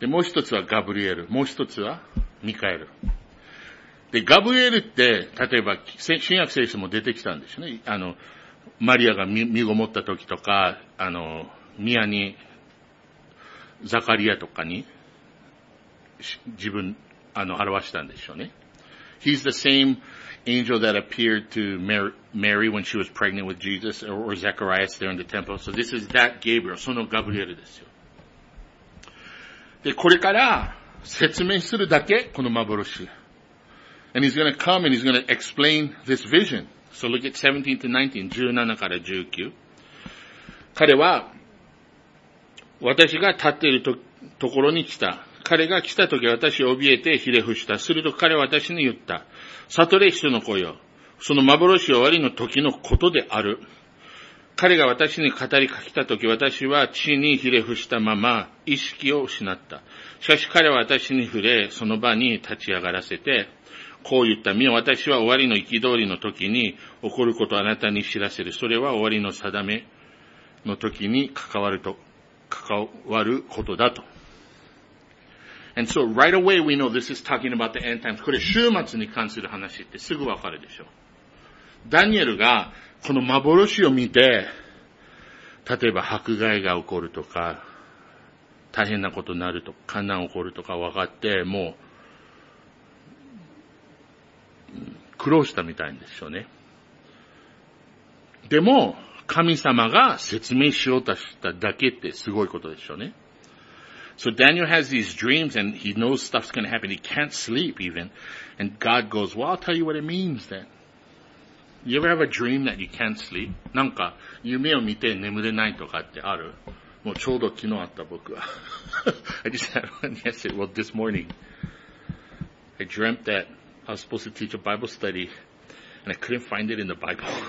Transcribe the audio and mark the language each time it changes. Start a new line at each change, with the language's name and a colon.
Japanese: で、もう一つはガブリエル。もう一つはミカエル。で、ガブリエルって、例えば新約聖書も出てきたんですよね。マリアが身ごもった時とか、宮に、ザカリアとかに、自分、表したんでしょうね。
English: He's the same angel that appeared to Mary when she was pregnant with Jesus, or Zacharias there in the temple. So this is that Gabriel,
Japanese: そのガブリエルですよ。で、これから説明するだけ、この幻。
English: And he's gonna come and he's gonna explain this vision. So look at 17-19, 17-19.
Japanese: 彼は、私が立っている ところに来た。彼が来た時私を怯えてひれ伏した。すると彼は私に言った。悟れ人の子よ。その幻終わりの時のことである。彼が私に語りかけた時私は地にひれ伏したまま意識を失った。しかし彼は私に触れ、その場に立ち上がらせて、こう言った。見よ、私は終わりの憤りの時に起こることをあなたに知らせる。それは終わりの定めの時に関わると関わることだと。
English: And so right away we know this is talking about the end times.
Japanese: これ終末に関する話ってすぐわかるでしょ。ダニエルがこの幻を見て、例えば迫害が起こるとか、大変なことになるとか、患難起こるとかわかって、もう、苦労したみたいんでしょうね。でも、神様が説明しようとしただけってすごいことでしょうね。
English: So Daniel has these dreams and he knows stuff's gonna happen. He can't sleep even. And God goes, well, I'll tell you what it means then. You ever have a dream that you can't sleep?
Japanese: なんか、夢を見て眠れないとかってある？もうちょうど昨日あった僕は。
English: I just had one yesterday. Well, this morning. I dreamt that I was supposed to teach a Bible study and I couldn't find it in the Bible.